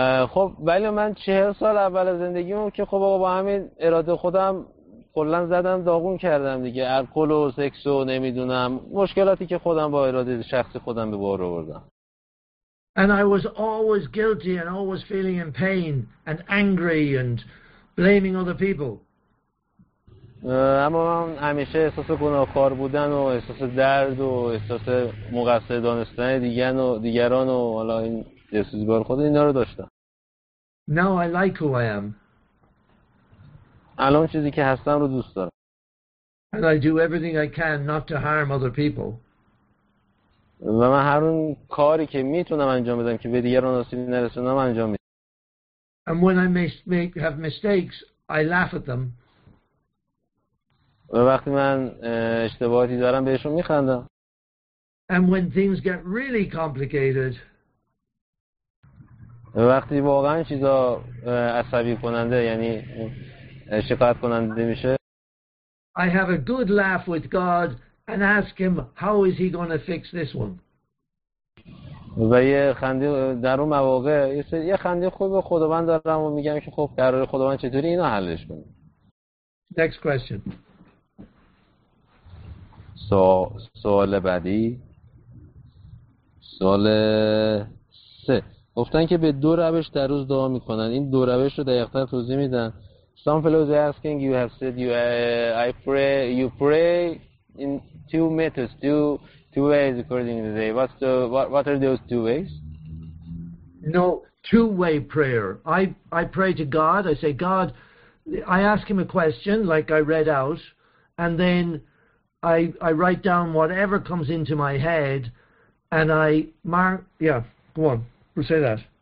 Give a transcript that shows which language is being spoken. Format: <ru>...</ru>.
<fa>خب ولی من 40 سال اول زندگیم که خب با همین اراده خودم کلن زدم داغون کردم دیگه, الکل و سکس و نمیدونم مشکلاتی که خودم با اراده شخصی خودم به بار آوردم.</fa> <en>And I was always guilty and always feeling in pain and angry and blaming other people.</en> <fa>اما من همیشه احساس گناهکار بودن و احساس درد و احساس مقصر دانستن دیگران و حالا این احساسی بار خود اینا رو داشتم.</fa> <en>Now I like who I am.</en> <fa>الان چیزی که هستم رو دوست دارم.</fa> <en>And I do everything I can not to harm other people.</en> <fa>و من هر اون کاری که میتونم انجام بدم که به دیگران آسیبی نرسونم انجام میدم.</fa> <en>And when I have mistakes, I laugh at them.</en> <fa>و وقتی من اشتباهاتی دارم بهشون میخندم.</fa> <en>And when things get really complicated.</en> <fa>و وقتی واقعا چیزا عصبی کننده یعنی شکایت کننده میشه.</fa> <en>I have a good laugh with God. And ask him how is he going to fix this one.</en> <fa>و یه خنده در اون مواقع یه خنده خوب خداوند دارم و میگم که خب قرار خداوند چطوری اینو حلش کنه.</fa> <en>Next question.</en> <fa>سوال بعدی. سوال 3. گفتن که به دو روش در روز دعا میکنن. این دو روش رو دقیق‌تر توضیح میدن.</fa> <en>Some fellows are asking you have said you pray in two methods, two ways according to the day. What are those two ways? No, two-way prayer. I pray to God. I say, God, I ask him a question like I read out, and then I write down whatever comes into my head, and I mark, yeah, go on, we'll say that.</en>